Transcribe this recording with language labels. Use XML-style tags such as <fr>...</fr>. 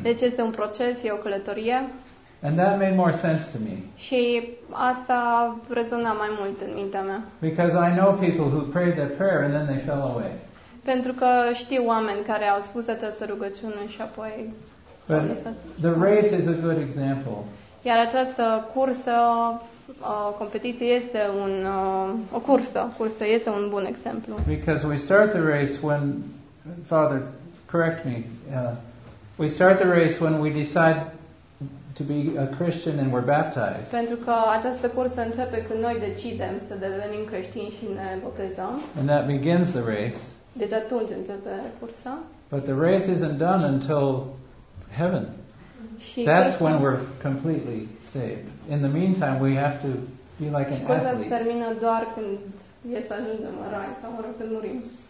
<ro>Deci este un proces, e o călătorie.</ro> <en>And that made more sense to me.</en> <ro>Și asta rezona mai mult în mintea mea.</ro> <en>Because I know people who prayed their prayer and then they fell away.</en> <ro>Pentru că știu oameni care au spus această rugăciune și apoi s-au lăsat.</ro> <en>The race is a good example.</en> <ro>Iar această cursă, competiție este un o cursă, cursă este un bun exemplu.</ro> <en>Because we start the race when Father, correct me. We start the race when we decide to be a Christian and we're baptized.</en> <ro>Pentru că această cursă începe când noi decidem să devenim creștini și ne botezăm.</ro> <en>And that begins the race.</en> <ro>Deci atunci începe cursa.</ro> <en>But the race isn't done until heaven. That's when we're completely saved. In the meantime, we have to be like an athlete.</en> <ro>Și cursa se termină doar când e să ajungem în rai sau oră când murim.</ro>